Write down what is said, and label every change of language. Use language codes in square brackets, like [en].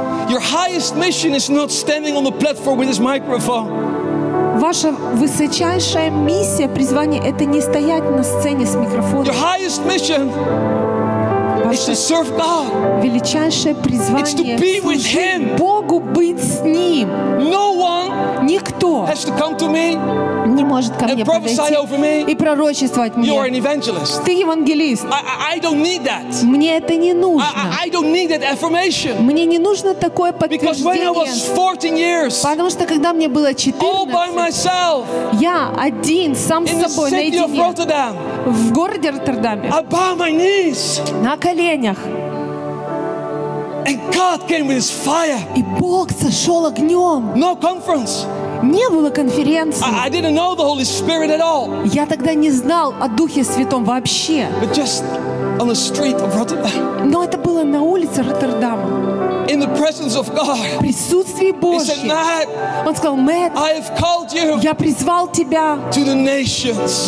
[en] Your highest mission is not standing on the platform with his microphone. [ru] Ваша высочайшая миссия, призвание — это не стоять на сцене с микрофоном. [en] Your highest mission is to serve God. [ru] Величайшее призвание — [en] it's to be with him. [ru] Богу быть с ним. [en] No one [ru] никто [en] has to come to me [ru] не может ко мне подойти [en] over me [ru] и пророчествовать мне. [en] You are an evangelist. [ru] Ты евангелист. [en] I don't need that. [ru] Мне это не нужно. [en] I don't need that affirmation. [ru] Мне не нужно такое подтверждение. [en] Because when I was 14 years, [ru] потому что когда мне было 14, [en] all by myself, [ru] я один, сам с собой, наедине, в городе Роттердаме, [en] I bow my knees, [ru] на коленях, [en] and God came with his fire. [ru] И Бог сошел огнем. [en] No conference. [ru] Не было конференции. [en] I didn't know the Holy Spirit at all. [ru] Я тогда не знал о Духе Святом вообще. [en] But just on the street of Rotterdam. [ru] Но это было на улице Роттердама. [en] In the presence of God. [ru] В присутствии Божьем. [en] He said, Matt, [ru] он сказал, Мэтт, [en] I have called you, [ru] я призвал тебя [en] to the nations,